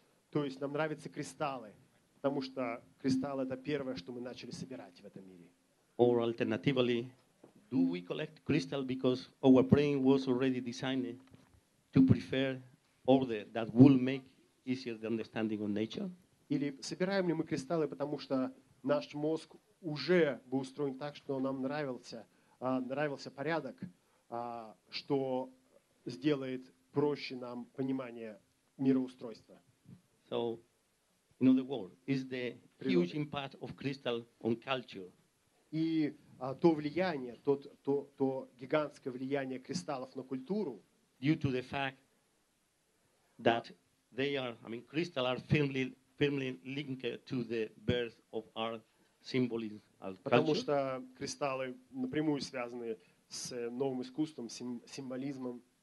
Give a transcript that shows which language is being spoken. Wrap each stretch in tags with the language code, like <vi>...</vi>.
<ru>То есть нам нравятся кристаллы, потому что кристалл это первое, что мы начали собирать в этом мире.</ru> <en>Or alternatively, do we collect crystal because our brain was already designed to prefer order that will make easier the understanding of nature?</en> <ru>Или собираем ли мы кристаллы, потому что наш мозг уже был устроен так, что нам нравился порядок, что сделает проще нам понимание мироустройства?</ru> <en>So, in other words, is the huge impact of crystal on culture?</en> <ru>И то влияние, то гигантское влияние кристаллов на культуру?</ru> <en>Due to the fact that they are, I mean, crystals are firmly linked to the birth of our symbolism, our culture.</en> <ru>Потому что кристаллы напрямую связаны с новым искусством, символизмом.</ru>